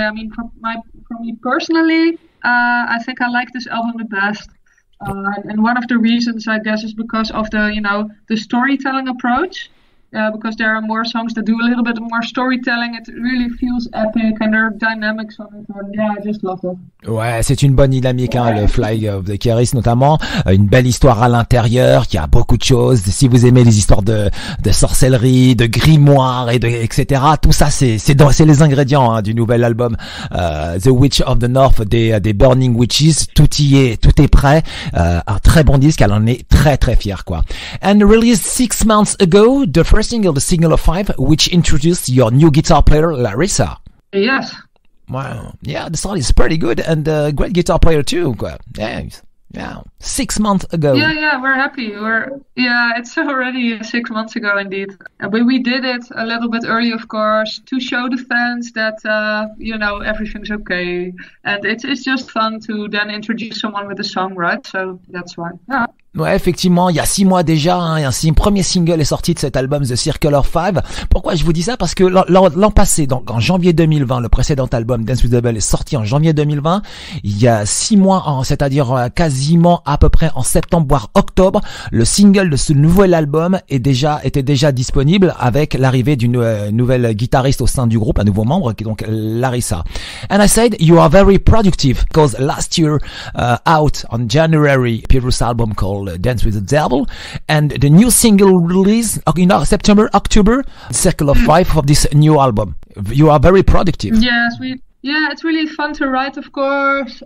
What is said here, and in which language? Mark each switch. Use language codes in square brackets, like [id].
[en] I mean, for me personally, I think I like this album the best. And one of the reasons, I guess, is because of the, you know, the storytelling approach. Because there are more songs that do a little bit more storytelling. It really feels epic and there are dynamics on it. And yeah, I just love it. [fr] Ouais, c'est une bonne dynamique, hein, le Fly of the Keris notamment. Une belle histoire à l'intérieur, il y a beaucoup de choses. Si vous aimez les histoires de sorcellerie, de grimoire et de etc. Tout ça, c'est les ingrédients, hein, du nouvel album The Witch of the North des Burning Witches. Tout est prêt. Un très bon disque, elle en est très très fière, quoi. [en] And released 6 months ago, the first single, the single of 5, which introduced your new guitar player, Larissa. Yes. Wow. Yeah, the song is pretty good and a great guitar player too. Yeah. Yeah, 6 months ago. Yeah, we're happy. It's already 6 months ago indeed. But we did it a little bit early, of course, to show the fans that, everything's okay. And it's just fun to then introduce someone with a song, right? So that's why, yeah. [fr] Ouais, effectivement, il y a 6 mois déjà, un premier single est sorti de cet album The Circle of Five. Pourquoi je vous dis ça? Parce que l'an passé, donc en janvier 2020, le précédent album Dance With Devil est sorti en janvier 2020. Il y a 6 mois, c'est-à-dire quasiment à peu près en septembre voire octobre, le single de ce nouvel album était déjà disponible avec l'arrivée d'une nouvelle guitariste au sein du groupe, un nouveau membre qui est donc Larissa. [en] And I said you are very productive because last year out on January, Pyrrhus album called Dance with the Devil, and the new single release, October, Circle of Five of this new album. You are very productive. Yes, it's really fun to write, of course.